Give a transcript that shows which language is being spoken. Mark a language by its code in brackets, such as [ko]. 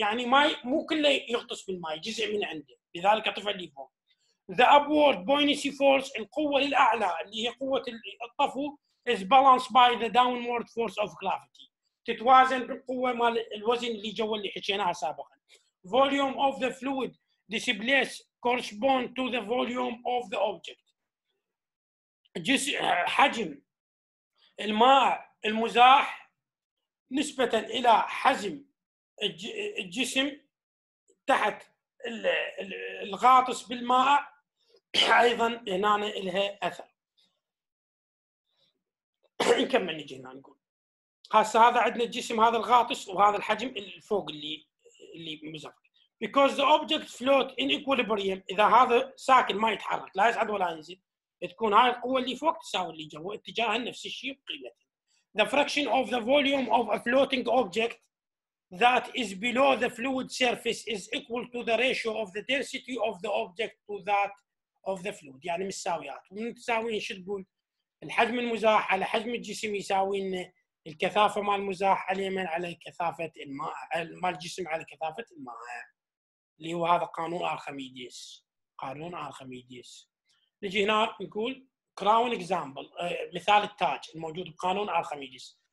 [ar] يعني ما مو كله يغطس بالماء، جزء من عنده. لذلك طفى اللي فوق. [en] The upward buoyancy force، [ar] القوة الأعلى اللي هي قوة الطفو، [en] is balanced by the downward force of gravity. [ar] تتوازن بالقوة مال الوزن اللي جوا اللي حكيناها سابقا. [en] Volume of the fluid displaced correspond to the volume of the object. [ar] حجم الماء المزاح نسبة إلى حجم الجسم تحت الغاطس بالماء أيضا هنا لها أثر. نكمل نجي هنا نقول هسه هذا عندنا الجسم هذا الغاطس وهذا الحجم الفوق اللي مزاح. [en] Because the object float in equilibrium. [ar] إذا هذا ساكن ما يتحرك لا يصعد ولا ينزل، تكون هاي القوة اللي فوق تساوي اللي جوا اتجاهها نفس الشيء بقيمته. [en] The fraction of the volume of a floating object that is below the fluid surface is equal to the ratio of the density of the object to that of the fluid. [ar] يعني متساويات، متساويين شو تقول؟ الحجم المزاح على حجم الجسم يساوي إن الكثافة مال المزاح على اليمين على كثافة الماء مال الجسم على كثافة الماء، اللي هو هذا قانون أرخميديس. قانون أرخميديس. نجي هنا نقول crown example، مثال التاج الموجود بقانون أرخميديس.